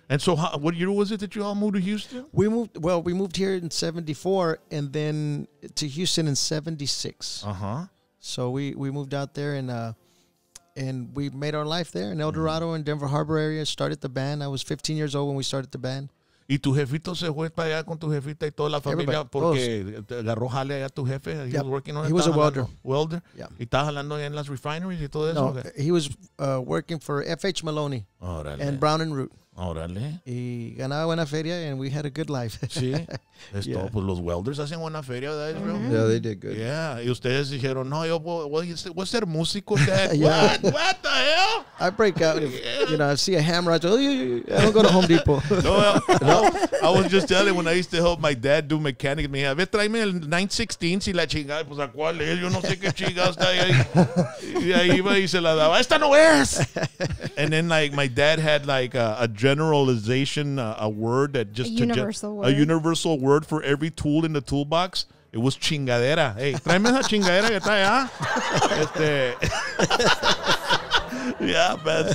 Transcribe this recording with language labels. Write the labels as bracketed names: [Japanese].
[English] And so what year was it that you all moved to Houston? We moved here in 74 and then to Houston in 76. Uh-huh. So we moved out there and we made our life there in El Dorado and Denver Harbor area. Started the band. I was 15 years old when we started the band. [Spanish] ¿Y tu jefito se fue para allá con tu jefita y toda la familia? Porque agarró jale allá tu jefe. [English] He was working on it. He was a welder. Welder? Yeah. [Spanish] ¿Y estás hablando en las refineries y todo eso? [English] No, he was working for F.H. Maloney and Brown & Root. [Spanish] Órale. Y ganaba buena feria, [English] and we had a good life. [Spanish] Sí. Pues los welders hacen buena feria, ¿verdad, Israel? [English] Mm-hmm. Yeah, they did good. [Spanish] Yeah. Y ustedes dijeron, no, yo voy a ser músico, Dad. Yeah. [English] What the hell? I break out. I see a hammer. I go, I don't go to Home Depot. I was just telling when I used to help my dad do mechanics. [Spanish] Me, a ver, tráeme el 916, si la chingada. Pues, ¿a cuál es? Yo no sé qué chingada está ahí. Y ahí iba y se la daba. ¡Esta no es! [English] And then, like, my dad had, like, a generalization, a word that just... A universal word for every tool in the toolbox. It was chingadera. [Spanish] Hey, tráeme esa chingadera que está allá. Yeah, man.